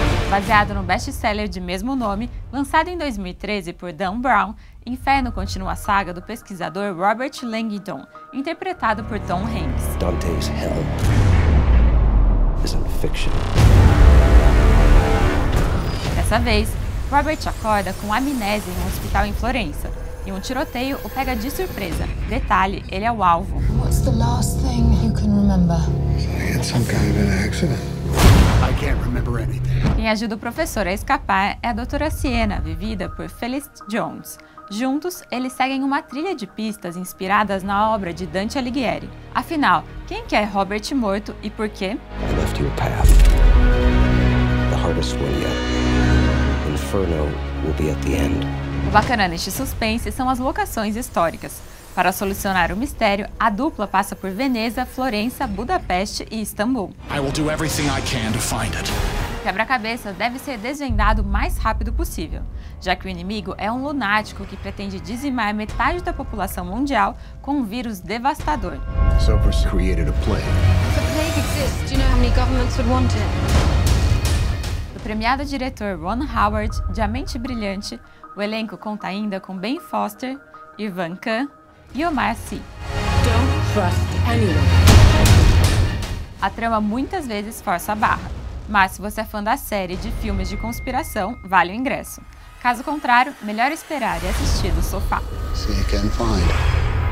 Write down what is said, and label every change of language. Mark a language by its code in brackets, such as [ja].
[pt] Baseado no best-seller de mesmo nome, lançado em 2013 por Dan Brown, Inferno continua a saga do pesquisador Robert Langdon, interpretado por Tom Hanks. [en] Dante's Hell isn't fiction. [pt] Dessa vez, Robert acorda com amnésia em um hospital em Florença e um tiroteio o pega de surpresa. Detalhe, ele é o alvo. [en] What's the last thing you can remember? I had some kind of an accident. I can't remember anything. [pt] Quem ajuda o professor a escapar é a doutora Siena, vivida por Felicity Jones. Juntos, eles seguem uma trilha de pistas inspiradas na obra de Dante Alighieri. Afinal, quem que é Robert morto e por quê? [en] I left you a path. The hardest one yet. Inferno will be at the end. [pt] O bacana neste suspense são as locações históricas. Para solucionar o mistério, a dupla passa por Veneza, Florença, Budapeste e Istambul. [en] I will do everything I can to find it. [pt] O quebra-cabeça deve ser desvendado o mais rápido possível, já que o inimigo é um lunático que pretende dizimar metade da população mundial com um vírus devastador. [en] So a plague. If a plague exists, do you know how many governments would want it? [pt] Do premiado diretor Ron Howard, de A Mente Brilhante, o elenco conta ainda com Ben Foster, Ivan Khan e Omar Sy. [en] Don't trust anyone. [pt] A trama muitas vezes força a barra, mas se você é fã da série de filmes de conspiração, vale o ingresso. Caso contrário, melhor esperar e assistir do sofá. [en] See you can find it.